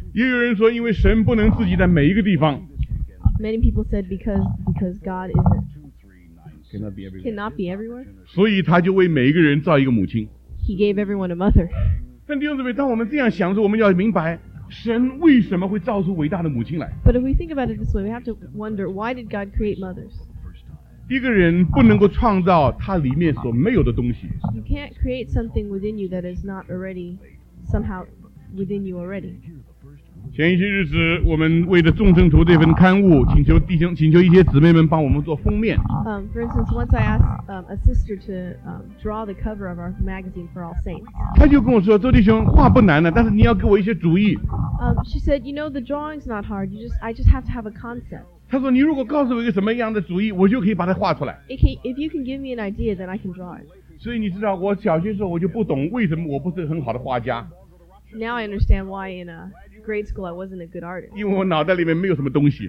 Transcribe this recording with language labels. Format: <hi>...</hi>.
<zh>也有人说，因为神不能自己在每一个地方。</zh> <en>Many people said because God cannot be everywhere.</en> <zh>所以他就为每一个人造一个母亲。</zh> <en>He gave everyone a mother.</en> <zh>但弟兄姊妹，当我们这样想的时候，我们要明白神为什么会造出伟大的母亲来。</zh> <en>But if we think about it this way, we have to wonder why did God create mothers?</en> <zh>一个人不能够创造他里面所没有的东西。</zh> <en>You can't create something within you that is not already somehow within you already.</en> <zh>前一些日子，我们为了众圣徒这份刊物，请求弟兄、请求一些姊妹们帮我们做封面。</zh> <en>For instance, once I asked a sister to draw the cover of our magazine for All Saints.</en> <zh>他就跟我说：“周弟兄，画不难的，但是你要给我一些主意。</zh> <en>”She said, "You know, the drawing's not hard. I just have to have a concept."</en> <zh>他说你如果告诉我一个什么样的主意，我就可以把它画出来。</zh> <en>If you can give me an idea, then I can draw it.</en> <zh>所以你知道我小学时候我就不懂为什么我不是很好的画家。</zh> <en>Now I understand why in a grade school I wasn't a good artist.</en> <zh>因为我脑袋里面没有什么东西。</zh>